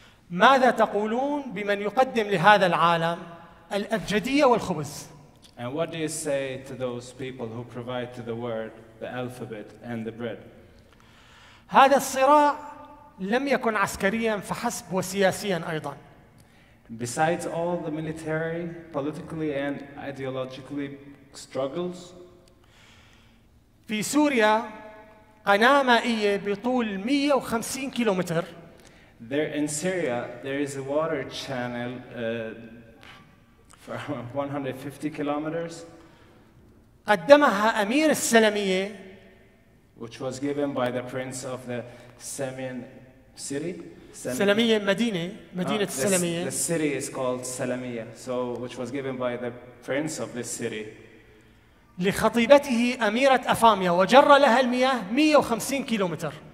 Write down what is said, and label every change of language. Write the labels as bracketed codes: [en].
[ar] ماذا تقولون بمن يقدم لهذا العالم الأبجدية والخبز؟ [en] And what do you say to those people who provide to the world the alphabet and the bread? [ar] هذا الصراع لم يكن عسكريا فحسب وسياسيا أيضا. [en] Besides all the military, politically and ideologically struggles. [ar] في سوريا قناة مائية بطول 150 كيلومتر. [en] There in Syria there is a water channel for 150 kilometers. [ar] قدمها أمير السلمية. [en] Which was given by the prince of the Samian city. [ar] سلمية مدينة مدينة السلمية. [en] The city is called Salamiya, so which was given by the prince of this city. [ar] لخطيبته أميرة أفاميا وجر لها المياه 150 كيلومتر.